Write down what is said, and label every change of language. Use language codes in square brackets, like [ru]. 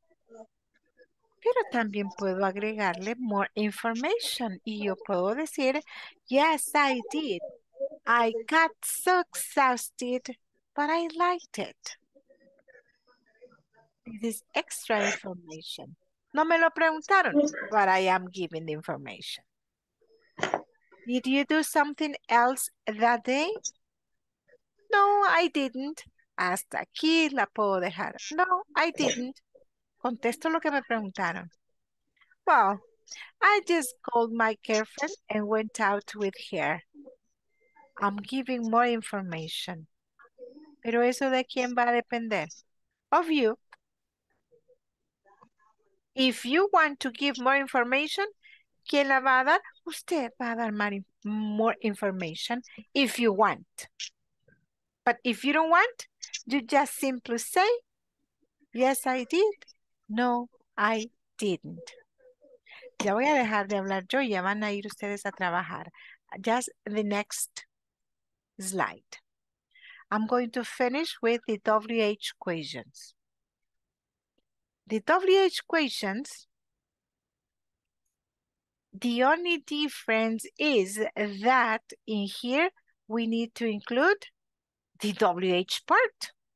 [es] Pero también puedo agregarle more information y yo puedo decir, yes, I did. [en] I got so exhausted, but I liked it. This is extra information. No me lo preguntaron, but I am giving the information. Did you do something else that day? No, I didn't. [es] Hasta aquí la puedo dejar. No, I didn't. Contesto lo que me preguntaron. [en] Well, I just called my girlfriend and went out with her. I'm giving more information. Pero eso de quién va a depender? Of you. If you want to give more information, ¿quién la va a dar? Usted va a dar more information if you want. But if you don't want, you just simply say, yes, I did. No, I didn't. [es] Ya voy a dejar de hablar yo y ya van a ir ustedes a trabajar. [en] Just the next slide. I'm going to finish with the WH questions. The WH questions, the only difference is that in here we need to include the WH part.